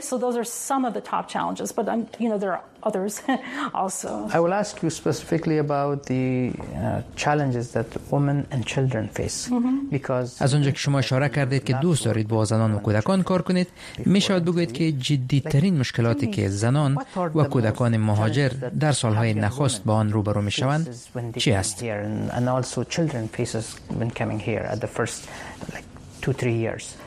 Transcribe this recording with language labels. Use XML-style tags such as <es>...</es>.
<en>So those are some of the top challenges, but I'm, you know, there are others also. I will ask you specifically about the challenges that women and children face. Because</en> <fa>از اونجا که شما اشاره کردید که دوست دارید با زنان و کودکان کار کنید، میشود بگوید که جدیترین مشکلاتی که زنان و کودکان مهاجر در سالهای نخست با آن روبرو میشوند چی است؟</fa> <en>And also children faces when coming here at the first like 2-3 years.</en>